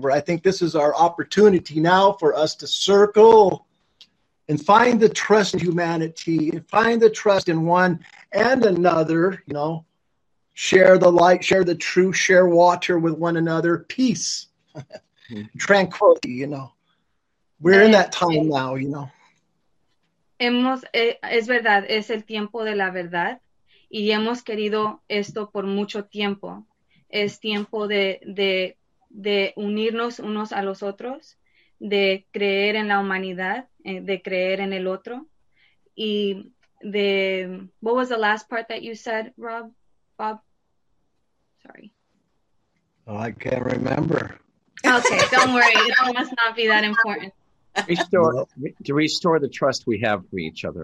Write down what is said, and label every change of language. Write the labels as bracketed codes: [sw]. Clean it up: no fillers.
[en] Where I think this is our opportunity now for us to circle and find the trust in humanity and find the trust in one and another. You know. Share the light, share the truth, share water with one another, peace, tranquility, you know. We're in that time now, you know. [es] Es verdad, es el tiempo de la verdad, y hemos querido esto por mucho tiempo. Es tiempo de unirnos unos a los otros, de creer en la humanidad, de creer en el otro. Y de, [en] what was the last part that you said, Rob, Bob? Sorry. Oh, I can't remember. Okay, don't worry. It must not be that important. To restore the trust we have for each other.